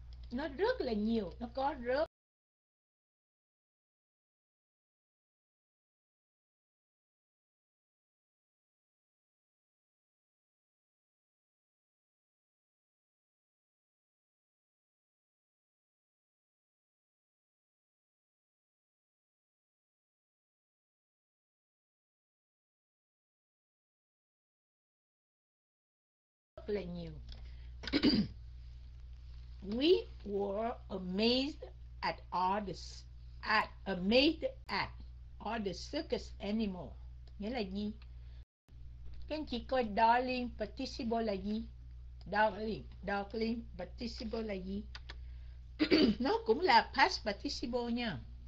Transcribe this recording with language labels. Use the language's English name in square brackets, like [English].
[Vietnamese] Nó rất là nhiều, nó có rất là nhiều. [English] We were amazed at all the circus animal. [Vietnamese] Nghĩa là gì? Các anh chị coi darling participle là gì? Darling participle là gì? Nó cũng là past participle nha.